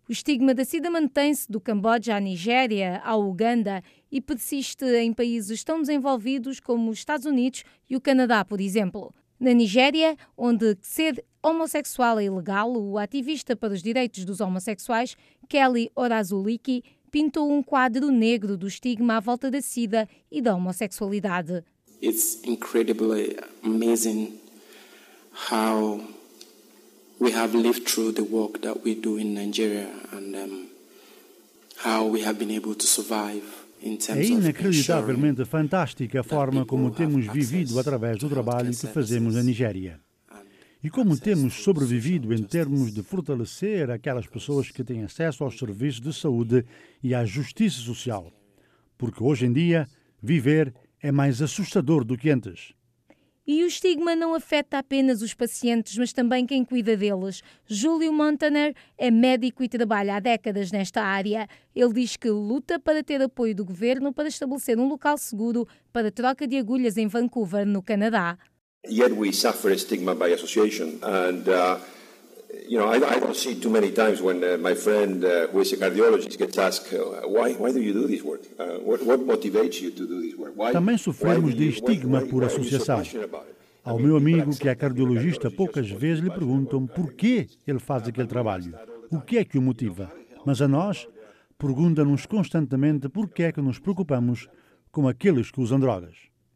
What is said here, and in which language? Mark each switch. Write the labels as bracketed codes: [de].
[pt] O estigma da SIDA mantém-se do Camboja à Nigéria, à Uganda, e persiste em países tão desenvolvidos como os Estados Unidos e o Canadá, por exemplo. Na Nigéria, onde ser homossexual é ilegal, o ativista para os direitos dos homossexuais, Kelly Orazuliki, pintou um quadro negro do estigma à volta da SIDA e da homossexualidade. [en] It's incredibly amazing how we have lived through the work that we do in Nigeria and how we have been able to survive. [pt] É inacreditavelmente fantástica a forma como temos vivido através do trabalho que fazemos na Nigéria. e como temos sobrevivido em termos de fortalecer aquelas pessoas que têm acesso aos serviços de saúde e à justiça social. Porque hoje em dia, viver é mais assustador do que antes. E o estigma não afeta apenas os pacientes, mas também quem cuida deles. Júlio Montaner é médico e trabalha há décadas nesta área. Ele diz que luta para ter apoio do governo para estabelecer um local seguro para troca de agulhas em Vancouver, no Canadá. [en] Yet we suffer a stigma by association, and I don't see too many times when my friend who is a cardiologist gets asked why do you do this work? What motivates you to do this work? Why? [pt] Também sofremos de estigma por associação. Ao meu amigo que é cardiologista, poucas vezes lhe perguntam por que ele faz aquele trabalho, o que é que o motiva. Mas a nós pergunta-nos constantemente por que é que nos preocupamos com aqueles que usam drogas.